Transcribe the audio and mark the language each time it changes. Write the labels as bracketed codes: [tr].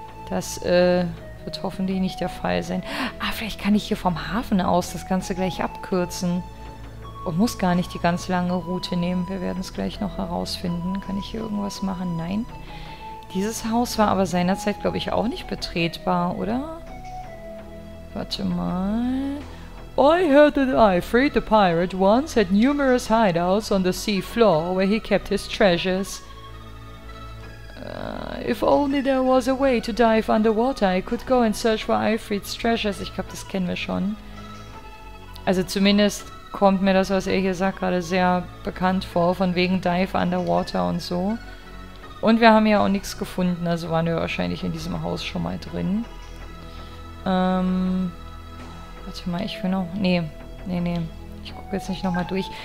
[de] Das, wird hoffentlich nicht der Fall sein. Ah, vielleicht kann ich hier vom Hafen aus das Ganze gleich abkürzen. Und muss gar nicht die ganz lange Route nehmen. Wir werden es gleich noch herausfinden. Kann ich hier irgendwas machen? Nein. Dieses Haus war aber seinerzeit, glaube ich, auch nicht betretbar, oder? Warte mal. [en] I heard that Ifrit, the pirate, once had numerous hideouts on the sea floor where he kept his treasures. If only there was a way to dive underwater, I could go and search for Ifrit's treasures. [de] Ich glaube, das kennen wir schon. Also zumindest kommt mir das, was er hier sagt, gerade sehr bekannt vor, von wegen [en] Dive Underwater [de] und so. Und wir haben ja auch nichts gefunden, also waren wir wahrscheinlich in diesem Haus schon mal drin. Warte mal, ich will noch... Nee. Ich gucke jetzt nicht nochmal durch.